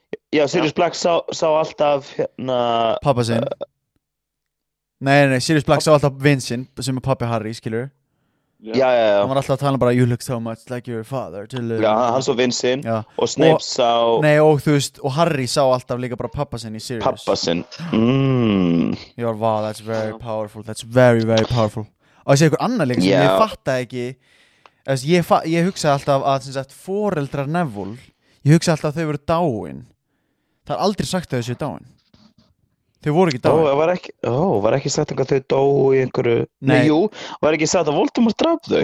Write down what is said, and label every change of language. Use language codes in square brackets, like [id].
[is] Já, Sirius Black sá alltaf hérna... Pappa sinn. Nei, Sirius Black sá alltaf Vincent sem er pappi Harry, skilur. Já. Hann var alltaf að tala bara, [en] you look so much like your father. [is] Já, hann svo Vincent og Snape sá... Nei, og þú veist, og Harry sá alltaf líka bara pappa sinn í Sirius. Pappa sinn. [en] Jór, wow, that's very powerful. That's very, very powerful. [is] Og ég segi ykkur annað líka sem ég fatta ekki. Ég hugsa alltaf að sem sagt, foreldrar Neville, ég hugsa alltaf að þau voru dáin. Það aldrei sagt að þau séu dáin. Þau voru ekki dáin. Var ekki sagt að þau dóu í einhverju... Nei, jú, var ekki sagt að Voldemort draf þau?